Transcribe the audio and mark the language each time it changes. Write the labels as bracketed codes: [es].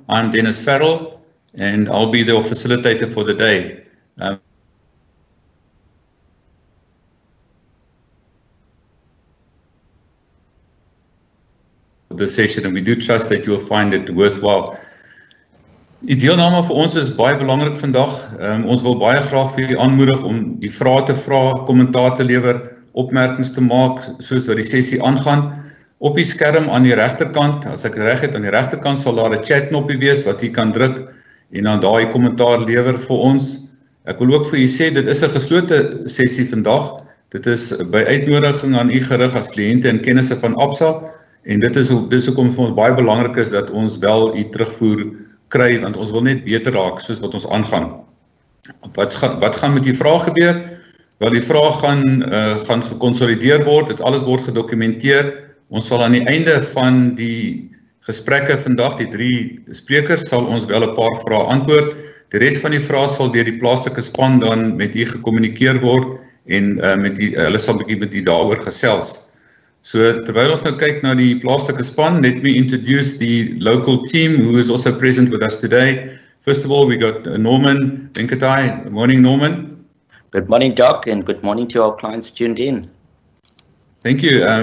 [en] I'm Dennis Farrell, and I'll be the facilitator for the day. This session, and we do trust that you'll find it worthwhile. [af] Die deelname vir ons is baie belangrik vandag. Ons wil baie graag vir julle aanmoedig om die vrae te vra, kommentaar te lewer, opmerkings te maak, soos wat die sessie aangaan. Op die skerm aan die regterkant, as ek reg het, aan die regterkant sal daar 'n chat knoppie wees wat jy kan druk en dan daai kommentaar lewer vir ons. Ek wil ook vir u sê dit is 'n geslote sessie vandag. Dit is by uitnodiging aan u gerig as kliënte en kennisse van Absa, en dit is hoekom vir ons baie belangrik is dat ons wel u terugvoer kry, want ons wil net beter raak soos wat ons aangaan. Wat gaan met die vraag gebeur? Wel, die vraag gaan gekonsolideer word, dit alles word gedokumenteer. Ons sal aan die einde van die gesprekke vandag, die drie sprekers, sal ons wel 'n paar vrae antwoord. Die res van die vrae sal deur die plaaslike span dan met u gekommunikeer word en hulle sal 'n bietjie met u daaroor gesels. So terwyl ons nou kyk na die plaaslike span, [en] let me introduce the local team who is also present with us today. First of all, we got Norman Venkatai. Good morning, Norman. Good morning, Doc, and good morning to our clients tuned in. Thank you.